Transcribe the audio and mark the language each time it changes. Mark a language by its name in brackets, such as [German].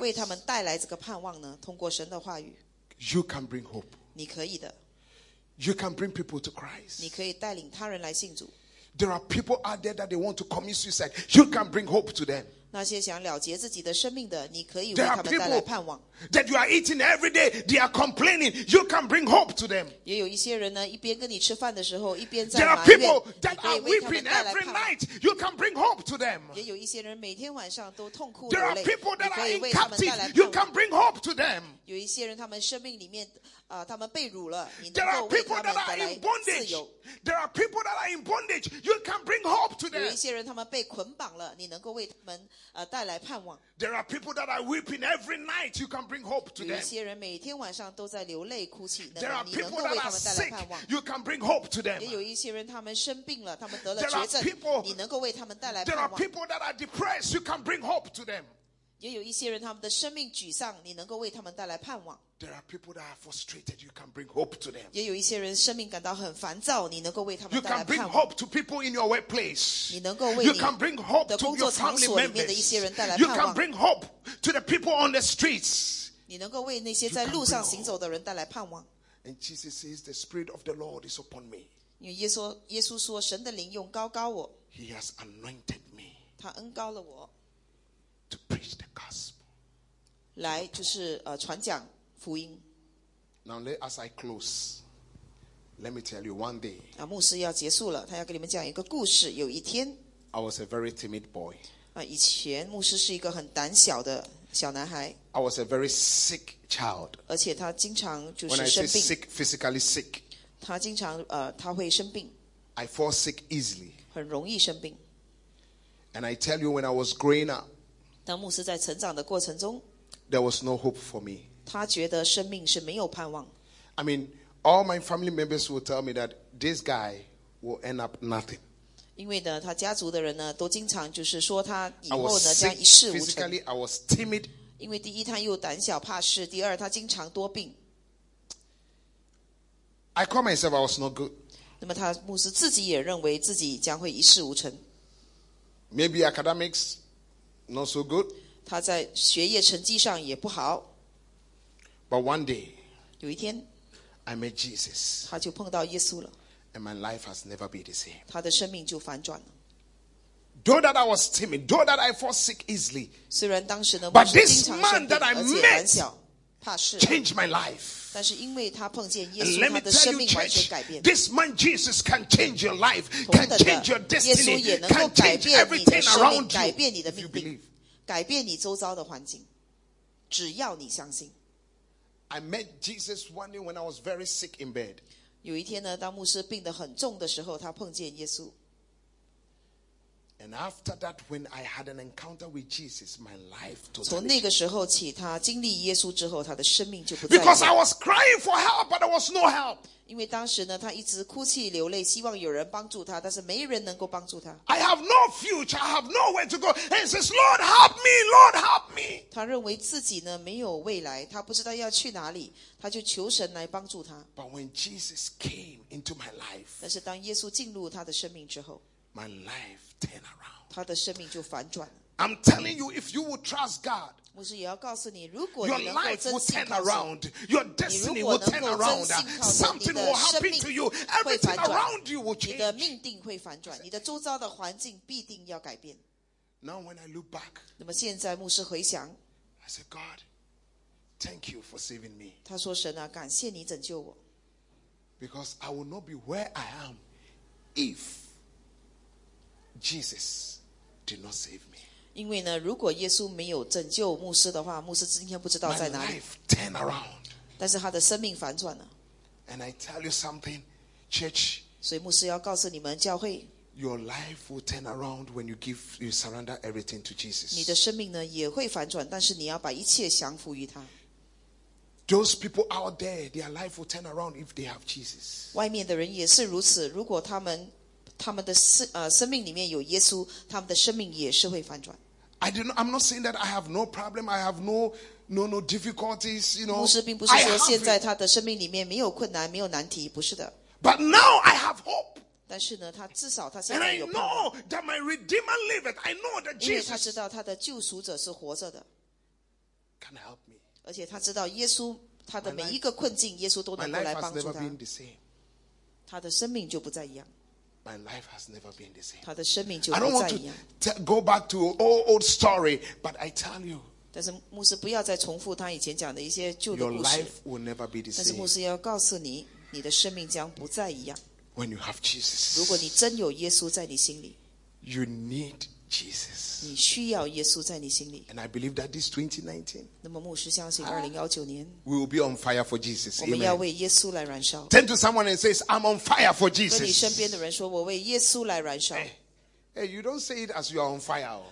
[Chinese] 为他们带来这个盼望呢？通过神的话语。 [English] You can bring hope. [Chinese] 你可以的。 [English] You can bring people to Christ. [Chinese] 你可以带领他人来信主。 [English] There are people out there that they want to commit suicide. You can bring hope to them. [Chinese] 那些想了结自己的生命的，你可以为他们带来盼望。 [English] There are people that you are eating every day. They are complaining. You can bring hope to them. [Chinese] 也有一些人呢，一边跟你吃饭的时候，一边在埋怨。 [English] There are people that are weeping every night. You can bring hope to them. [Chinese] 也有一些人每天晚上都痛哭流泪。 [English] There are people that are in captivity. You can bring hope to them. [Chinese] 有一些人他们生命里面。他们被辱了，你能够为他们带来自由。 [English] There are people that are in bondage. There are people that are in bondage. You can bring hope to them. [Chinese] 有一些人他们被捆绑了，你能够为他们带来盼望。 [English] There are people that are weeping every night. You can bring hope to them. [Chinese] 有一些人每天晚上都在流泪哭泣， [English] There are people that are sick. You can bring hope to them. [Chinese] 也有一些人他们生病了，他们得了绝症，你能够为他们带来盼望。 [English] There are people that are depressed. You can bring hope to them. [Chinese] 也有一些人他们的生命沮丧，你能够为他们带来盼望。 [English] There are people that are frustrated. You can bring hope to them. [Chinese] 也有一些人生命感到很烦躁，你能够为他们带来盼望。 [English] You can bring hope to people in your workplace. [Chinese] 你能够为你的工作场所里面的一些人带来盼望。 [English] You can bring hope to your family members. You can bring hope to the people on the streets. [Chinese] 你能够为那些在路上行走的人带来盼望。 [English] And Jesus says, "The Spirit of the Lord is upon me." [Chinese] 因为耶稣说，神的灵用膏膏我。 [English] He has anointed me. [Chinese] 他恩膏了我。 [English] To preach the gospel. [Chinese] 来就是传讲福音。 [English] Now, as I close, let me tell you one day. [Chinese] 牧师要结束了，他要给你们讲一个故事。有一天 [English] ，I was a very timid boy. [Chinese] 以前牧师是一个很胆小的小男孩。 [English] I was a very sick child. [Chinese] 而且他经常就是生病。 [English] Sick, physically sick. [Chinese] 他经常他会生病。 [English] I fall sick easily. [Chinese] 很容易生病。 [English] And I tell you, when I was growing up. [Chinese] 当牧师在成长的过程中 [English] ，There was no hope for me. [Chinese] 他觉得生命是没有盼望。 [English] I mean, all my family members will tell me that this guy will end up nothing. [Chinese] 因为呢，他家族的人呢，都经常就是说他以后呢 [English] I was sick, [Chinese] 将一事无成。 [English] Physically, I was timid. [Chinese] 因为第一，他又胆小怕事；第二，他经常多病。 [English] I call myself I was not good. [Chinese] 那么他牧师自己也认为自己将会一事无成。 [English] Maybe academics. Not so good. [Chinese] 他在学业成绩上也不好。 [English] But one day, [Chinese] 有一天 [English] I met Jesus. [Chinese] 他就碰到耶稣了。 [English] And my life has never been the same. [Chinese] 他的生命就反转了。 [English] Though that I was timid, though that I fall sick easily, [Chinese] 虽然当时呢 [English] but this man that I met, [Chinese] 怕事 [English] changed my life. [Chinese] 但是因为他碰见耶稣，他的生命完全改变。 [English] This man Jesus can change your life, can change your destiny, [Chinese] 耶稣也能够改变你的生命，改变你的命运，改变你周遭的环境。只要你相信。 [English] I met Jesus one day when I was very sick in bed. [Chinese] 有一天呢，当牧师病得很重的时候，他碰见耶稣。 [English] And after that, when I had an encounter with Jesus, my life totally [Chinese] 从那个时候起，他经历耶稣之后，他的生命就不再一样。 [English] Because I was crying for help, but there was no help. [Chinese] 因为当时呢，他一直哭泣流泪，希望有人帮助他，但是没人能够帮助他。 [English] I have no future. I have nowhere to go. And he says, "Lord, help me. Lord, help me." [Chinese] 他认为自己呢没有未来，他不知道要去哪里，他就求神来帮助他。 [English] But when Jesus came into my life, [Chinese] 但是当耶稣进入他的生命之后。 [English] My life turn around. [Chinese] 他的生命就反转了。 [English] I'm telling you, if you will trust God, [Chinese] 牧师也要告诉你，如果 [English] your life will turn around, your destiny will turn around, something will happen to you, everything around you will change. [Chinese] 你的命定会反转，你的周遭的环境必定要改变。 [English] Now when I look back, [Chinese] 那么现在牧师回想 [English] I said, God, thank you for saving me. [Chinese] 他说神啊，感谢你拯救我。 [English] Because I will not be where I am if Jesus did not save me. [Chinese] 因为呢，如果耶稣没有拯救牧师的话，牧师今天不知道在哪里。 [English] My life turned around. [Chinese] 但是他的生命反转了。 [English] And I tell you something, church. [Chinese] 所以牧师要告诉你们教会。 [English] Your life will turn around when you surrender everything to Jesus. [Chinese] 你的生命呢也会反转，但是你要把一切降服于他。 [English] Those people out there, their life will turn around if they have Jesus. [Chinese] 外面的人也是如此，如果他们他们的生命里面有耶稣，他们的生命也是会反转。 [English] I'm not saying that I have no problem. I have no difficulties. You know, [Chinese] 牧师并不是说现在他的生命里面没有困难，没有难题，不是的。 [English] But now I have hope. [Chinese] 但是呢，他至少他现在有盼望。 [English] And I know that my Redeemer liveth. I know that Jesus. [Chinese] 因为他知道他的救赎者是活着的。 [English] Can help me. [Chinese] 而且他知道耶稣他的每一个困境，耶稣都能够来帮助他。 [English] My life has never been the same. [Chinese] 他的生命就不再一样。 [English] My life has never been the same. [Chinese] 他的生命就不再一样。 [English] I don't want to go back to old story, but I tell you. [Chinese] 但是牧师不要再重复他以前讲的一些旧的故事。 [English] Your life will never be the same. [Chinese] 但是牧师要告诉你，你的生命将不再一样。 [English] When you have Jesus. [Chinese] 如果你真有耶稣在你心里。 [English] You need Jesus. [Chinese] 你需要耶稣在你心里。 [English] And I believe that this 2019. [Chinese] 那么牧师相信2019年。 [English] We will be on fire for Jesus. [Chinese] 我们要为耶稣来燃烧。 [English] Turn to someone and says, I'm on fire for Jesus. [Chinese] 跟你身边的人说，我为耶稣来燃烧。 [English] Hey, you don't say it as you are on fire.